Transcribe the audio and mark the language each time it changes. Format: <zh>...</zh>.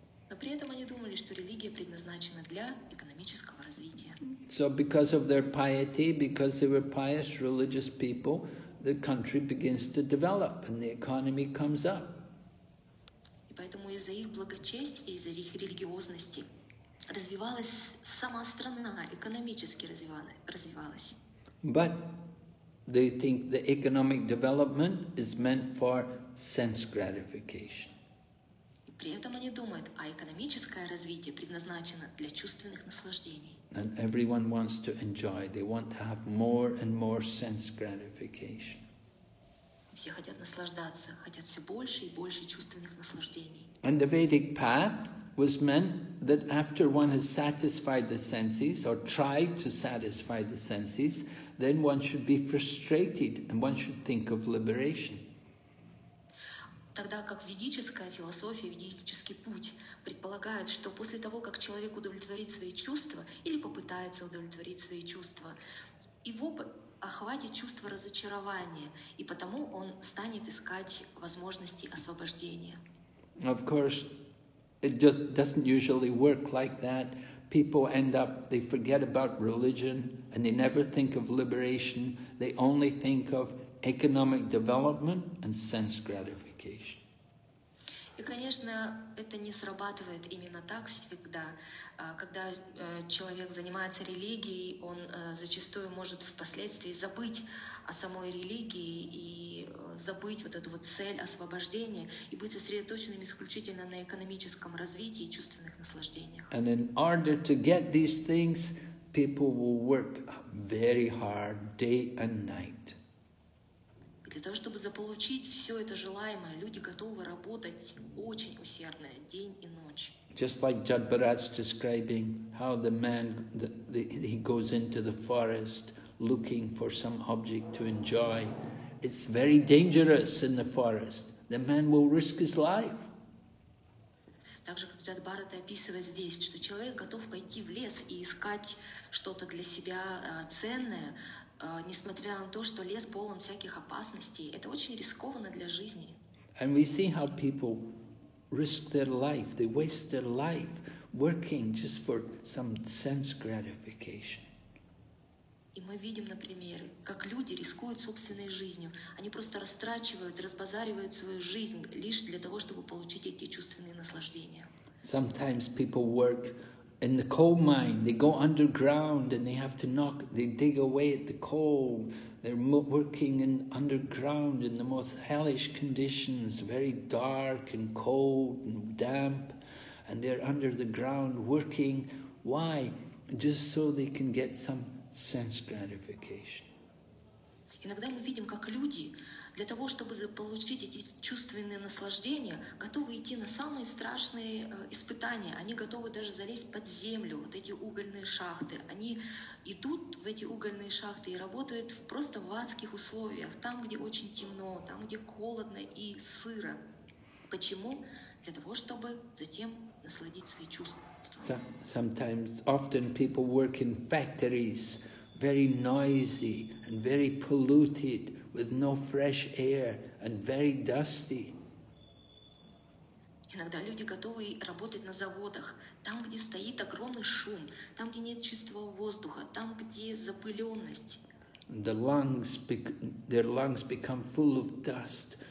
<ru>Но при этом они думали, что религия предназначена для экономического развития.</ru> <en>So because of their piety, because they were pious religious people, the country begins to develop and the economy comes up.</en> <ru>И поэтому из-за их благочестия, из-за их религиозности развивалась сама страна, экономически развивалась.</ru> <en>But they think the economic development is meant for sense gratification.</en> <ru>И при этом они думают, а экономическое развитие предназначено для чувственных наслаждений.</ru> <en>And everyone wants to enjoy. They want to have more and more sense gratification.</en> <ru>Все хотят наслаждаться, хотят все больше и больше чувственных наслаждений.</ru> <en>And the Vedic path was meant that after one has satisfied the senses or tried to satisfy the senses, then one should be frustrated and one should think of liberation.</en> <ru>Тогда как ведическая философия, ведический путь предполагает, что после того, как человек удовлетворит свои чувства или попытается удовлетворить свои чувства, его охватит чувство разочарования, и потому он станет искать возможности освобождения.</ru> <en>Of course, it doesn't usually work like that. People end up, they forget about religion and they never think of liberation. They only think of economic development and sense gratification.</en> <ru>И, конечно, это не срабатывает именно так всегда. Когда человек занимается религией, он зачастую может впоследствии забыть о самой религии и забыть вот эту вот цель освобождения и быть сосредоточенным исключительно на экономическом развитии и чувственных наслаждениях.</ru> <en>And in order to get these things, people will work very hard day and night.</en> <ru>Для того, чтобы заполучить все это желаемое, люди готовы работать очень усердно, день и ночь.</ru> <en>Just like Judd Barat's describing how the man, he goes into the forest looking for some object to enjoy. It's very dangerous in the forest. The man will risk his life.</en> <ru>Также как Джад Барат описывает здесь, что человек готов пойти в лес и искать что-то для себя ценное, несмотря на то, что лес полон всяких опасностей, это очень рискованно для жизни.</ru> <en>And we see how people risk their life, they waste their life working just for some sense gratification.</en> <ru>И мы видим, например, как люди рискуют собственной жизнью. Они просто растрачивают, разбазаривают свою жизнь лишь для того, чтобы получить эти чувственные наслаждения.</ru> <en>Sometimes people work in the coal mine, they go underground and they have to knock, they dig away at the coal. They're working in underground in the most hellish conditions, very dark and cold and damp. And they're under the ground working. Why? Just so they can get some sense gratification.</en> <ru>Иногда мы видим, как люди для того, чтобы получить эти чувственные наслаждения, готовы идти на самые страшные испытания. Они готовы даже залезть под землю, вот эти угольные шахты. Они идут в эти угольные шахты и работают просто в адских условиях, там, где очень темно, там, где холодно и сыро. Почему? Для того, чтобы затем насладить свои чувства.</ru> <en>Sometimes, often people work in factories, very noisy and very polluted, with no fresh air and very dusty.</en> <ru>Иногда люди готовы работать на заводах, там, где стоит огромный шум, там, где нет чистого воздуха, там, где запыленность.</ru> <en>The lungs, their lungs become full of dust.</en>